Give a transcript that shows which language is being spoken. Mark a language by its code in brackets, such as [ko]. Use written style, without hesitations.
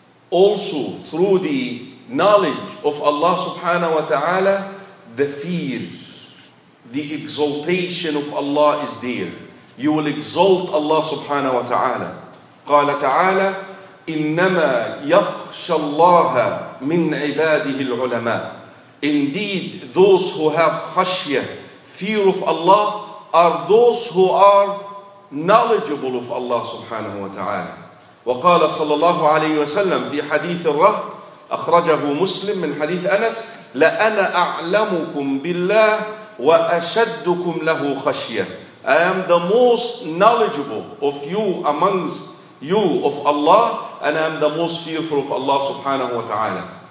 [en] Also through the knowledge of Allah سبحانه وتعالى, the fear, the exaltation of Allah is there. You will exalt Allah سبحانه وتعالى. [ar] قال تعالى: إنما يخشى الله من عباده العلماء. [en] Indeed, those who have khashya, fear of Allah, are those who are knowledgeable of Allah سبحانه وتعالى. [ar] وقال صلى الله عليه وسلم في حديث الرهط أخرجه مسلم من حديث أنس: لأنا أعلمكم بالله وأشدكم له خشية. [en] I am the most knowledgeable of you amongst you of Allah, and I am the most fearful of Allah subhanahu wa ta'ala.